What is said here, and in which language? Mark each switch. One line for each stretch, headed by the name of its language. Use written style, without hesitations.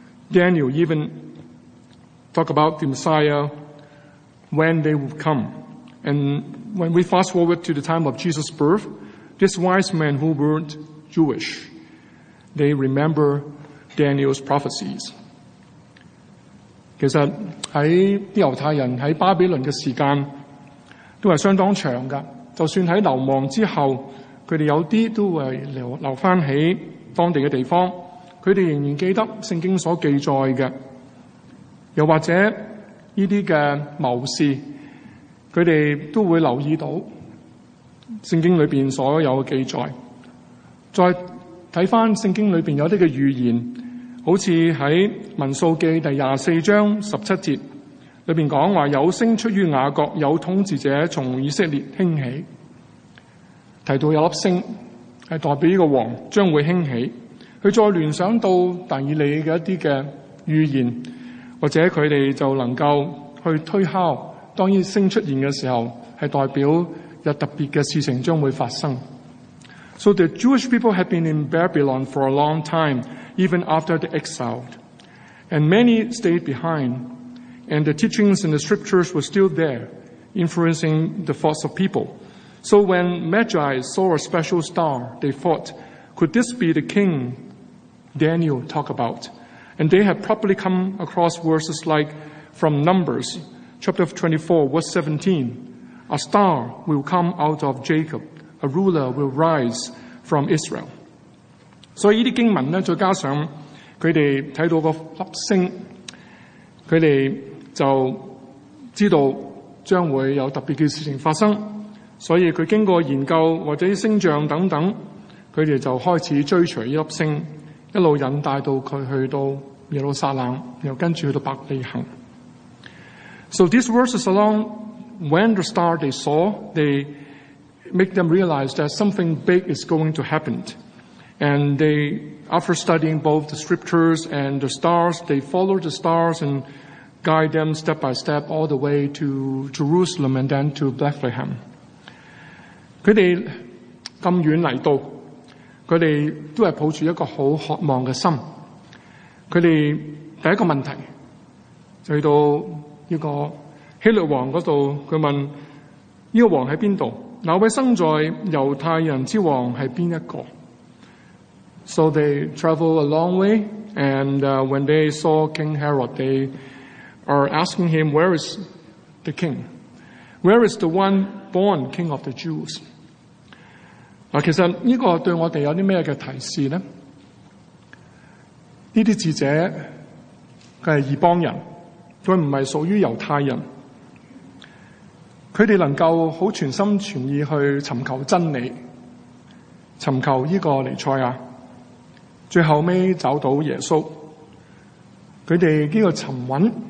English: Daniel even talk about the Messiah, when they would come. And when we fast forward to the time of Jesus' birth, these wise men who weren't Jewish, they remember Daniel's prophecies.
Chinese: 其实在犹太人在巴比伦的时间都是相当长的，就算在流亡之后，他们有些都会留在当地的地方，他们仍然记得圣经所记载的。又或者这些的谋士，他们都会留意到圣经里面所有的记载，再看回圣经里面有些预言，好像在民数记第24章17节里面讲说，有声出于雅各，有统治者从以色列兴起，提到有粒星是代表这个王将会兴起。他再联想到但以理的一些的预言，或者他们就能够去推敲，当然星出现的时候是代表有特别的事情将会发生。
English: So the Jewish people had been in Babylon for a long time, even after the exile. And many stayed behind. And the teachings and the scriptures were still there, influencing the thoughts of people. So when Magi saw a special star, they thought, could this be the king Daniel talked about? And they had probably come across verses like from Numbers, chapter 24, verse 17. A star will come out of Jacob. A ruler will rise from Israel.
Chinese: 所以这些经文呢，再加上他们看到个粒星，他们就知道将会有特别的事情发生。所以他经过研究或者星象等等，他们就开始追随这粒星，一路引带到他去到耶路撒冷，又跟着去到伯利恒。
English: So these verses along, when the star they saw, they make them realize that something big is going to happen. And they, after studying both the scriptures and the stars, they follow the stars and guide them step by step all the way to Jerusalem and then to Bethlehem.
Chinese: 他们这么远来到，他们都是抱着一个很渴望的心。他们第一个问题就去到这个希律王那里，他问这个王在哪里，那位生在犹太人之王是哪一个？
English: So they travel a long way, and when they saw King Herod, they are asking him, where is the king? Where is the one born king of the Jews?
Chinese: 其实这个对我们有什么提示呢？这些智者是异邦人，他不是属于犹太人，他们能够很全心全意去寻求真理，寻求这个尼赛亚，最后尾找到耶稣。他们这个寻找